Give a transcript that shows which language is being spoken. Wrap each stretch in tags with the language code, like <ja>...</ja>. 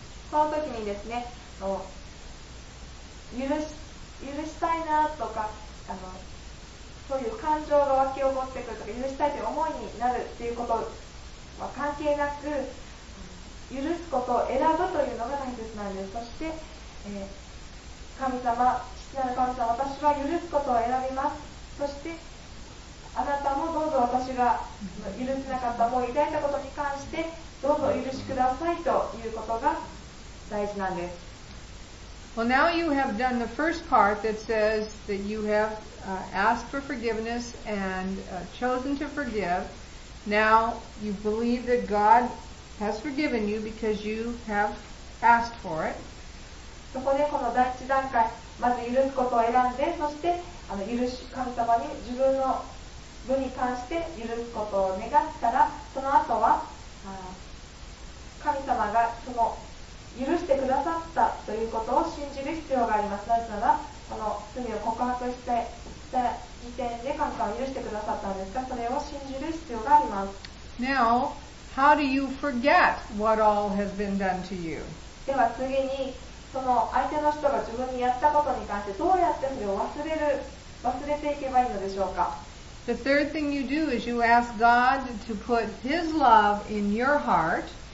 <ja>この時にですね、許したいなとか、そういう感情が湧き起こってくるとか、許したいという思いになるっていうことは関係なく、許すことを選ぶというのが大切なんです。そして、神様、父なる神様、私は許すことを選びます。そして、あなたもどうぞ私が許せなかった、もう抱いたことに関して、どうぞ許しくださいということが大事なんです。</ja> <en>Well, now you have done the first part that says that you have asked for forgiveness and chosen to forgive. Now you believe that GodHas forgiven you because you have asked for it.</en> <ja>そこでこの第一段階、まず許すことを選んで、そして許し神様に自分の分に関して許すことを願ったら、その後は神様がその許してくださったということを信じる必要があります。なぜなら、この罪を告白してした時点で神様は許してくださったんですが、それを信じる必要があります。</ja> <en>Now,How do you forget what all has been done to you?</en> <ja>では次にその相手の人が自分にやったことに関してどうやってそれを忘れていけばいいのでしょうか?</ja> <en>The third thing you do is you ask God to put His love in your heart.</en>